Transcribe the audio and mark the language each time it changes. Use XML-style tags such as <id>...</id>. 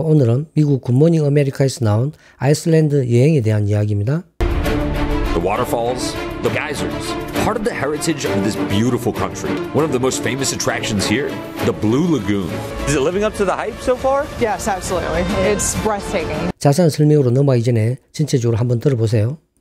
<ko>오늘은 미국 굿모닝 아메리카에서 나온 아이슬란드 여행에 대한 이야기입니다.</ko> <en>The waterfalls, the geysers, part of the heritage of this beautiful country. One of the most famous attractions here, the Blue Lagoon. Is it living up to the hype so far? Yes, absolutely. It's breathtaking.</en> <ko>자세한 설명으로 넘어가기 전에 전체적으로 한번 들어보세요.</ko>